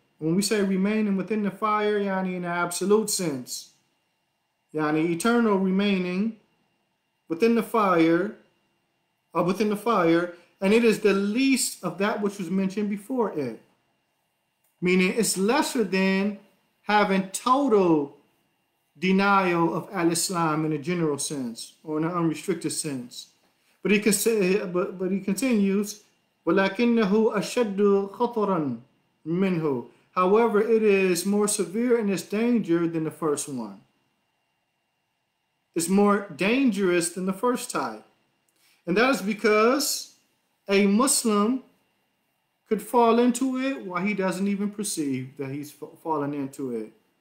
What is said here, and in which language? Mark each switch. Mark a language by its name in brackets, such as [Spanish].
[English] When we say remaining within the fire, yani in an absolute sense, yani eternal remaining within the fire, or within the fire, and it is the least of that which was mentioned before it. Meaning it's lesser than having total denial of al-Islam in a general sense or in an unrestricted sense. But he continues, [Arabic] وَلَكِنَّهُ أَشَدُّ خَطَرًا مِنْهُ. [English] However, it is more severe in its danger than the first one. It's more dangerous than the first type. And that is because a Muslim could fall into it while he doesn't even perceive that he's fallen into it.